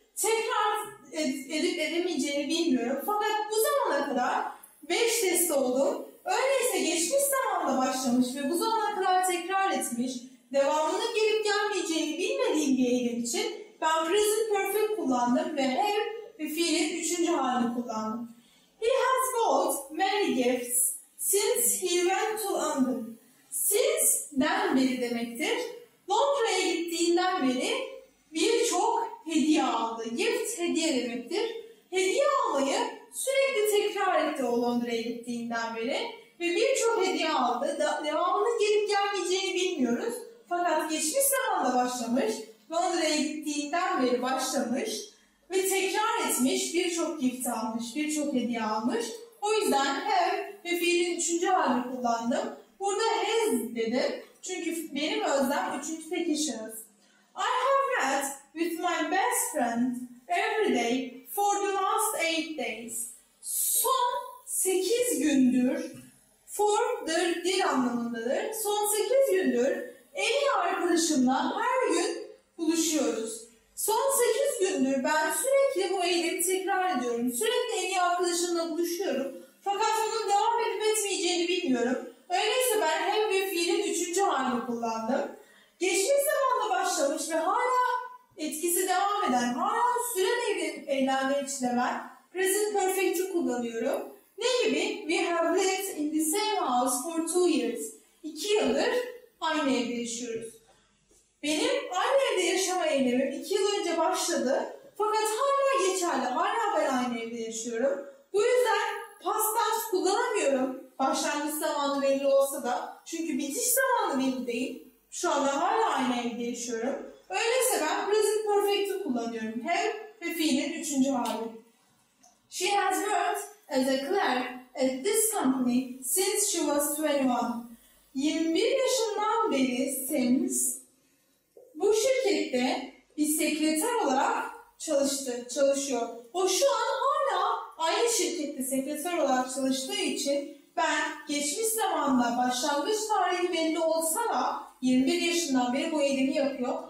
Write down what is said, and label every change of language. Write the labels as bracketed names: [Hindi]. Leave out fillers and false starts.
[Turkish] Tekrar edip edemeyeceğini bilmiyorum. Fakat bu zamana kadar 5 test oldum. Öyleyse geçmiş zamanda başlamış ve bu zamana kadar tekrar etmiş, devamının gelip gelmeyeceğini bilmediğim bir eylem için ben present perfect kullandım ve have ve fiilin üçüncü halini kullandım. [English] He has bought many gifts since he went to London. [Turkish] Since'den beri demektir. Londra'ya gittiğinden beri birçok hediye aldı. Gift hediye demektir. Hediye almayı sürekli tekrar etti o Londra'ya gittiğinden beri. Ve birçok hediye aldı. Devamının gelip gelmeyeceğini bilmiyoruz. Fakat geçmiş zamanda başlamış. Londra'ya gittiğinden beri başlamış ve tekrar etmiş, birçok gift almış, birçok hediye almış. O yüzden have ve fiilin üçüncü halini kullandım. Burada has dedim çünkü benim özlem üçüncü tek şahıs. [English] I have met with my best friend every day for the last 8 days. [Turkish] Son 8 gündür, for the dil anlamındadır. Son 8 gündür en iyi arkadaşımla her gün buluşuyoruz. Son 8 gündür ben sürekli bu eylemi tekrar ediyorum. Sürekli en iyi arkadaşımla buluşuyorum. Fakat onun devam edip etmeyeceğini bilmiyorum. Öyleyse ben hem bir fiilin üçüncü halini kullandım. Geçmiş zamanda başlamış ve hala etkisi devam eden, hala süren eylemler içinde ben present perfect'i kullanıyorum. Ne gibi? [English] We have lived in the same house for 2 years. [Turkish] 2 yıldır aynı evde yaşıyoruz. Benim aynı evde yaşama eylemim 2 yıl önce başladı. Fakat hala geçerli. Hala ben aynı evde yaşıyorum. Bu yüzden past tense kullanamıyorum. Başlangıç zamanı belli olsa da. Çünkü bitiş zamanı belli değil. Şu anda hala aynı evde yaşıyorum. Öyleyse ben present perfect'i kullanıyorum. Have ve fiilin üçüncü hali. [English] She has worked as a clerk at this company since she was 21. [Turkish] 21 yaşından beri Semiz bu şirkette bir sekreter olarak çalışıyor. O şu an hala aynı şirkette sekreter olarak çalıştığı için ben geçmiş zamanda başlangıç tarihi belli olsa da 21 yaşından beri bu eğitimi yapıyor.